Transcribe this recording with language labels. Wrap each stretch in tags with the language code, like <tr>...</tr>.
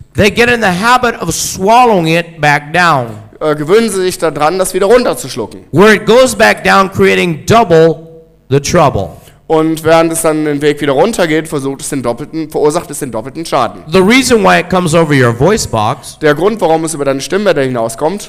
<en>They get in the habit of swallowing it back down.</en> <de>Gewöhnen sie sich daran, das wieder runterzuschlucken.</de> <en>Where it goes back down, creating double the trouble.</en> <de>Und während es dann den Weg wieder runtergeht, verursacht es den doppelten Schaden.</de> <en>The reason why it comes over your voice box.</en> <de>Der Grund, warum es über deine Stimmbänder hinauskommt.</de>